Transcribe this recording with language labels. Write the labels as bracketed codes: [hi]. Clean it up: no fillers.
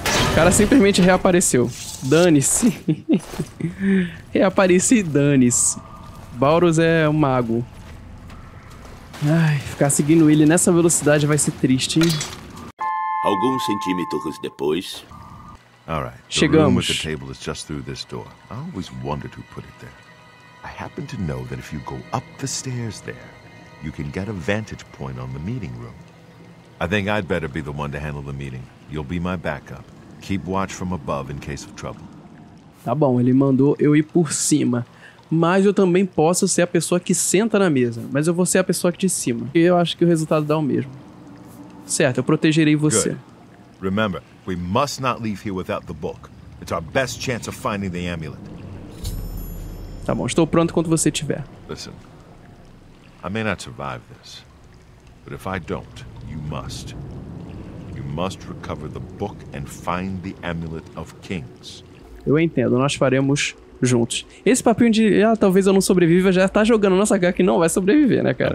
[pt] O cara simplesmente reapareceu. Dane-se. Reapareci, dane-se. Baurus é um mago. Ai, ficar seguindo ele nessa velocidade vai ser triste, hein? Alguns centímetros depois. Chegamos. [en] The table is just through this door. I always wondered who put it there. I happen to know that if you go up the stairs there, you can get a vantage point on the meeting room. I think I'd better be the one to handle the meeting. You'll be my backup. Keep watch from above in case of trouble. [pt] Tá bom, ele mandou eu ir por cima. Mas eu também posso ser a pessoa que senta na mesa. Mas eu vou ser a pessoa aqui de cima. E eu acho que o resultado dá o mesmo. Certo, eu protegerei você. [en] Remember, we must not leave here without the book. It's our best chance of finding the amulet. [pt] Tá bom, estou pronto quando você tiver. [en] Listen, I may not survive this, but if I don't, you must. Must recover the book and find the amulet of kings. [pt] Eu entendo, nós faremos juntos. Esse papinho de ah, talvez eu não sobreviva já tá jogando nossa cara que não vai sobreviver, né, cara?